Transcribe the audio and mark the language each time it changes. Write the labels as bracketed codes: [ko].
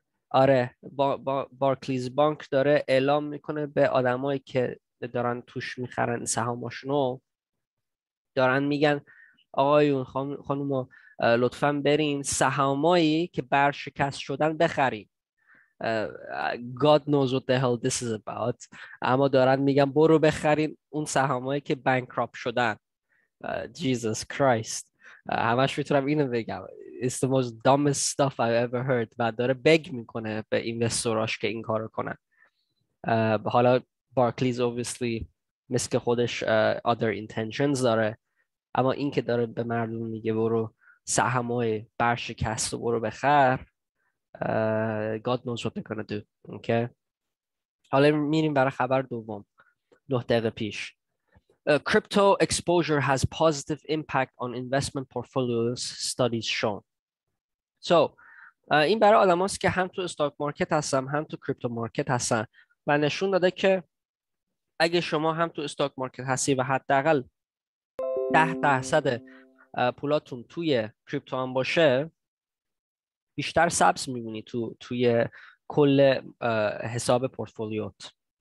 [fa] آره، بارکلیز بانک داره اعلام میکنه به آدمایی که دارن توش میخرن سهاماشونو، دارن میگن آقایون خانوما لطفاً برین سهامایی که برشکست شدن بخرین. [en] God knows what the hell this is about. [fa] اما دارن میگن برو بخرین اون سهامایی که بانکراپ شدن. [en] Jesus Christ. [fa] همش میتونم اینو بگم. [en] It's the most dumbest stuff I've ever heard. [fa] و داره بگ میکنه به اینوستوراش که این کارو کنن. حالا Barclays obviously مثل خودش [en] other intentions [fa] داره. اما این که داره به مردم میگه برو سهامای برشکست برو بخر، [en] God knows what they're gonna do. [fa] Okay. حالا میریم برای خبر دوم. 9 دقیقه پیش. [en] Crypto exposure has positive impact on investment portfolios, studies shown. [fa] So, این برای آدماست که هم تو استاک مارکت هستن، هم تو کریپتو مارکت هستن. و نشون داده که اگه شما هم تو استاک مارکت هستی و حداقل 10% پولاتون توی کریپتو هم باشه، بیشتر سبز میبینی توی کل حساب پورتفولیوت.